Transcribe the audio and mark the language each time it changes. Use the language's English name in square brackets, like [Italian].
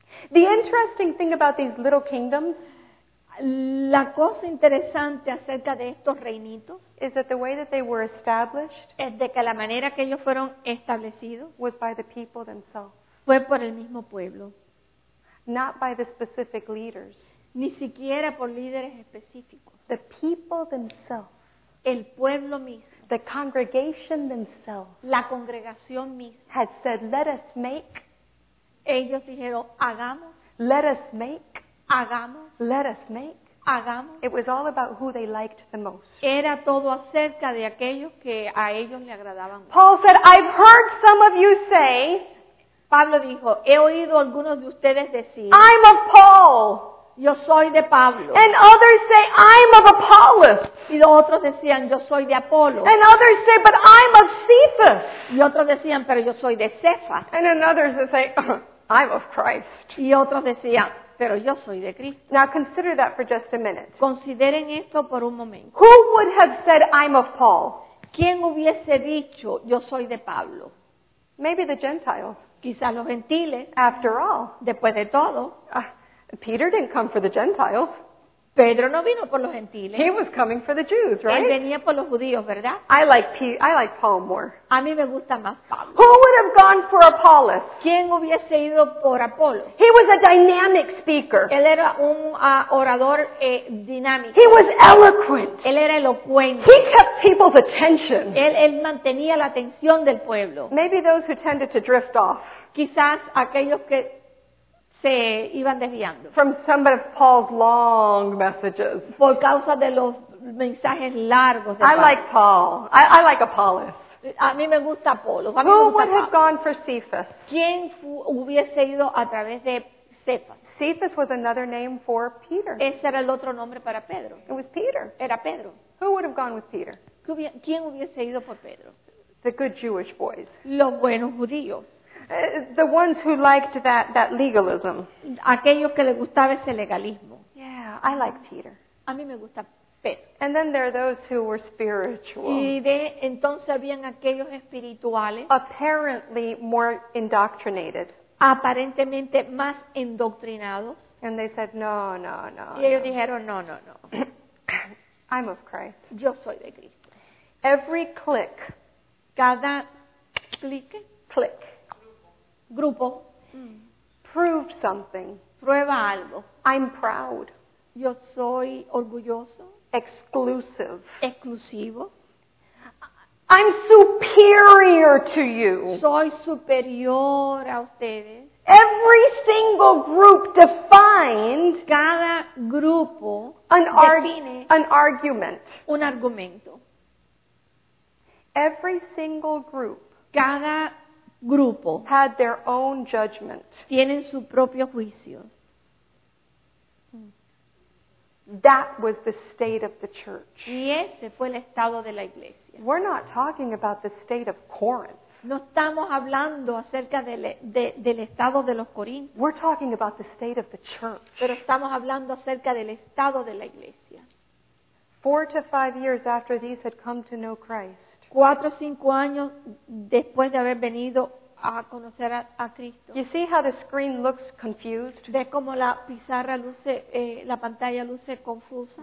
[English] The interesting thing about these little kingdoms, [Spanish] la cosa interesante acerca de estos reinitos, [English] is that the way that they were established, [Spanish] es de que la manera que ellos fueron establecidos, [English] was by the people themselves, [Spanish] fue por el mismo pueblo, [English] not by the specific leaders, [Spanish] ni siquiera por líderes específicos, [English] the people themselves, [Spanish] el pueblo mismo. [English] The congregation themselves, [Spanish] la congregación misma, [English] had said, "Let us make." [Spanish] Ellos dijeron, hagamos. [English] Let us make. [Spanish] Hagamos. [English] Let us make. [Spanish] Hagamos. [English] It was all about who they liked the most. [Spanish] Era todo acerca de aquellos que a ellos le agradaban. [English] Paul said, "I've heard some of you say." [Spanish] Pablo dijo, he oído algunos de ustedes decir. [English] I'm of Paul. [Spanish] Yo soy de Pablo. [English] And others say, I'm of Apollos. [Spanish] Y otros decían, yo soy de Apolo. [English] And others say, but I'm of Cephas. [Spanish] Y otros decían, pero yo soy de Cephas. [English] And others say, I'm of Christ. [Spanish] Y otros decían, pero yo soy de Cristo. [English] Now consider that for just a minute. [Spanish] Consideren esto por un momento. [English] Who would have said, I'm of Paul? [Spanish] ¿Quién hubiese dicho, yo soy de Pablo? [English] Maybe the Gentiles. [Spanish] Quizás los gentiles. [English] After all. [Spanish] Después de todo. [English] Peter didn't come for the Gentiles. [Spanish] Pedro no vino por los gentiles. [English] He was coming for the Jews, right? [Spanish] Él venía por los judíos, ¿verdad? [English] I like Paul more. [Spanish] A mí me gusta más Pablo. [English] Who would have gone for Apollos? [Spanish] ¿Quién hubiese ido por Apolo? [English] He was a dynamic speaker. [Spanish] Él era un orador dinámico. [English] He was eloquent. [Spanish] Él era elocuente. [English] He kept people's attention. [Spanish] Él mantenía la atención del pueblo. [English] Maybe those who tended to drift off. [Spanish] Quizás aquellos que se iban desviando. [English] From some of Paul's long messages. [Spanish] Por causa de los mensajes largos de [English] Paul. I like Paul. I like Apollos. [Spanish] A mí me gusta Apolos. [English] Who would have gone for Cephas? [Spanish] ¿Quién hubiese ido a través de Cephas? [English] Cephas was another name for Peter. [Spanish] Ese era el otro nombre para Pedro. [English] It was Peter. [Spanish] Era Pedro. [English] Who would have gone with Peter? [Spanish] ¿Quién hubiese ido por Pedro? [English] The good Jewish boys. [Spanish] Los buenos judíos. [English] The ones who liked that legalism. [Spanish] Aquellos que le gustaba ese legalismo. [English] Yeah, I like Peter. [Spanish] A mí me gusta Pedro. [English] And then there are those who were spiritual. [Spanish] Y entonces habían aquellos espirituales. [English] Apparently more indoctrinated. [Spanish] Aparentemente más endoctrinados. [English] And they said, no, no, no. [Spanish] Y ellos no. Dijeron, no, no, no. [English] I'm of Christ. [Spanish] Yo soy de Cristo. [English] Every click. [Spanish] Cada clique. [English] Click. [Spanish] grupo, [English] proved something. [Spanish] Prueba algo. [English] I'm proud. [Spanish] Yo soy orgulloso. [English] Exclusive. [Spanish] Exclusivo. [English] I'm superior to you. [Spanish] Soy superior a ustedes. [English] Every single group defines [Spanish] cada grupo [English] an argument. [Spanish] Un argumento. [English] Every single group [Spanish] cada grupo [English] had their own judgment. [Spanish] Tienen su propio juicio. [English] That was the state of the church. [Spanish] Y ese fue el estado de la iglesia. [English] We're not talking about the state of Corinth. [Spanish] No estamos hablando acerca del estado de los Corintios. [English] We're talking about the state of the church. [Spanish] Pero estamos hablando acerca del estado de la iglesia. [English] 4 to 5 years after these had come to know Christ. [Spanish] 4 o 5 años después de haber venido a conocer a Cristo. [English] You see how the screen looks confused? [Spanish] ¿Ves cómo la pizarra luce, la pantalla luce confusa?